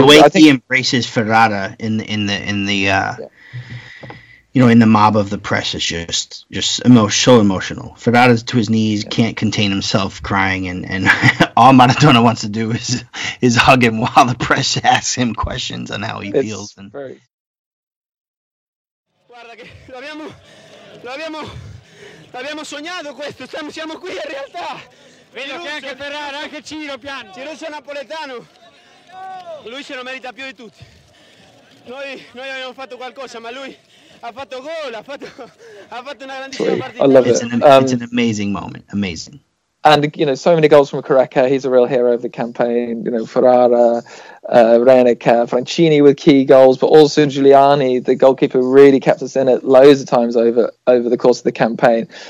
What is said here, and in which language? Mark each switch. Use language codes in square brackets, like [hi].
[en] the way he embraces Ferrara in the you know, in the mob of the press is so emotional. Fabregas is to his knees, can't contain himself, crying, and all Maradona wants to do is hug him while the press asks him questions on how he feels. And [it] guarda che l'abbiamo sognato questo, siamo qui in realtà. Vedo che anche Ferrara, anche Ciro piano. Ciruccio è napoletano, lui se lo merita più di tutti. Noi abbiamo fatto qualcosa, ma lui ha fatto gol, ha fatto una grandissima partita. [en] It's an amazing moment, amazing. And, you know, so many goals from Kareka. He's a real hero of the campaign. You know, Ferrara, Reneke, Francini with key goals, but also Giuliani, the goalkeeper, really kept us in it loads of times over the course of the campaign.